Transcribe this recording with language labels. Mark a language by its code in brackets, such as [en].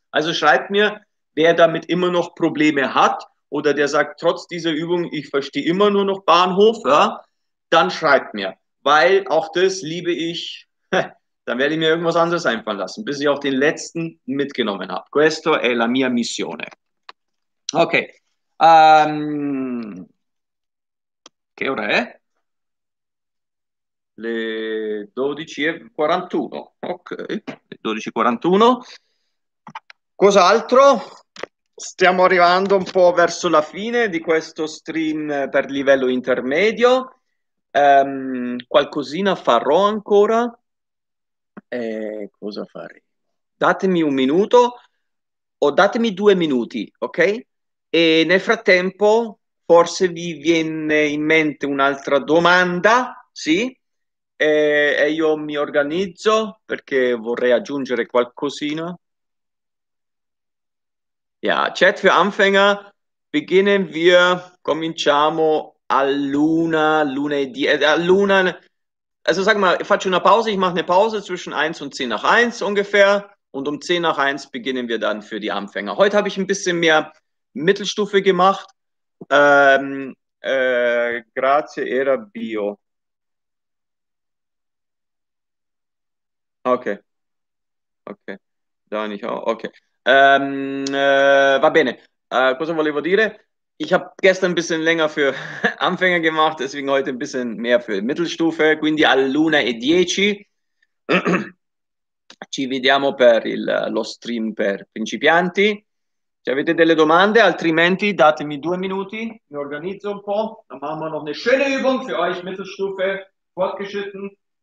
[de] Also schreibt mir, wer damit immer noch Probleme hat oder der sagt, trotz dieser Übung, ich verstehe immer nur noch Bahnhof, ja, dann schreibt mir, weil auch das liebe ich. Dann werde ich mir irgendwas anderes einfallen lassen, bis ich auch den letzten mitgenommen habe. [it] Questo è la mia missione. Ok, che ora è? Le 12:41, ok, le 12:41. Cos'altro? Stiamo arrivando un po' verso la fine di questo stream per livello intermedio. Qualcosina farò ancora. Cosa fare? Datemi un minuto o datemi due minuti, ok? E nel frattempo forse vi viene in mente un'altra domanda, sì? E io mi organizzo perché vorrei aggiungere qualcosina. [de] Ja, Chat für Anfänger, beginnen wir, [it] cominciamo all'una, [de] also sag mal, [it] faccio una pausa, [de] ich mache eine Pause zwischen 1 und 10 nach 1 ungefähr und um 10 nach 1 beginnen wir dann für die Anfänger. Heute habe ich ein bisschen mehr Mittelstufe gemacht [it] Grazie, era bio. Okay. Ok, Dani, ciao. Okay. Va bene, cosa volevo dire? [de] Ich habe gestern ein bisschen länger für Anfänger gemacht, deswegen heute ein bisschen mehr für Mittelstufe, [it] quindi all'una e dieci. Ci vediamo per lo stream per principianti. Se avete delle domande, altrimenti datemi due minuti, mi organizzo un po', [de] dann machen wir noch eine schöne Übung für euch, Mittelstufe, fortgeschritten.